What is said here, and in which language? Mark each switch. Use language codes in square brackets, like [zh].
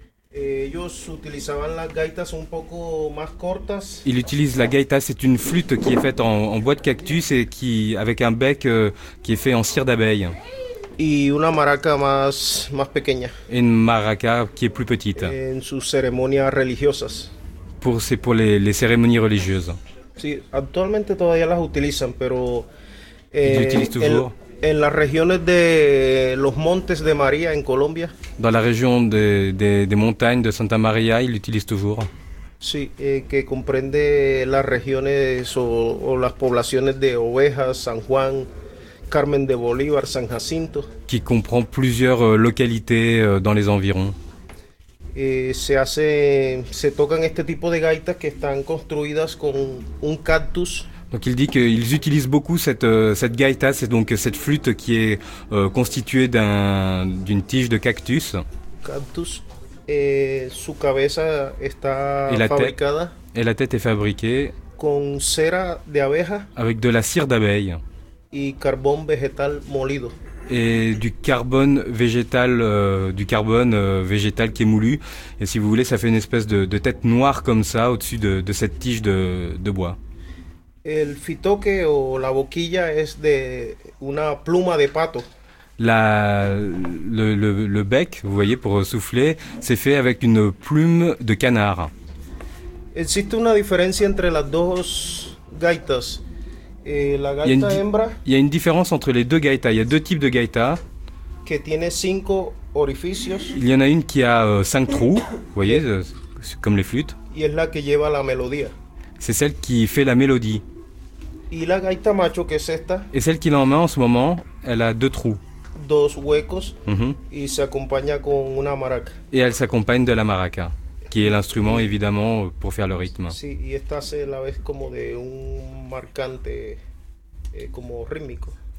[es] Ellos utilizaban las gaitas un poco más cortas. [fr] Il utilise la gaita, c'est une flûte qui est faite en bois de cactus et qui avec un bec qui est fait en cire d'abeille. [es] Y una maraca más pequeña. [fr] Une maraca qui est plus petite. [es] En sus ceremonias religiosas. [fr] Pour les cérémonies religieuses. [es] Sí, actualmente todavía las utilizan, pero [fr] ils utilisent toujours. [es] En las regiones de los Montes de María en Colombia. [fr] Dans la région des montagnes de Santa María, ils l'utilisent toujours. [es] Sí, que comprende las regiones o las poblaciones de Ovejas, San Juan, Carmen de Bolívar, San Jacinto. [fr] Qui comprend plusieurs localités dans les environs. [es] Se tocan este tipo de gaitas que están construidas con un cactus. [fr] Donc il dit qu'ils utilisent beaucoup cette gaita, c'est donc cette flûte qui est constituée d'une tige de cactus. [es] Cactus, su cabeza está fabricada. [fr] Et la tête est fabriquée. [es] Con cera de abeja. [fr] Avec de la cire d'abeille. [es] Y carbón vegetal molido. [fr] Et du carbone végétal, végétal qui est moulu. Et si vous voulez, ça fait une espèce de tête noire comme ça au-dessus de cette tige de bois. [es] El fitoque o la boquilla es de una pluma de pato. [fr] Le bec, vous voyez, pour souffler, c'est fait avec une plume de canard. [es] Existe [fr] une différence entre les deux gaitas. [es] La gaita hembra. [fr] Il y a une différence entre les deux gaitas. Il y a deux types de gaitas. [es] Que tiene cinco orificios. [fr] Il y en a une qui a cinq trous, vous voyez, comme les flûtes. [es] Y es la que lleva la melodía. [fr] C'est celle qui fait la mélodie. [es] Y la gaita macho que es esta. [fr] Et celle qu'il en met en ce moment, elle a deux trous. [es] Dos huecos. Y se acompaña con una maraca. [fr] Et elle s'accompagne de la maraca, qui est l'instrument évidemment pour faire le rythme. [es] Sí, y esta hace la vez como de un marcante, como rítmico.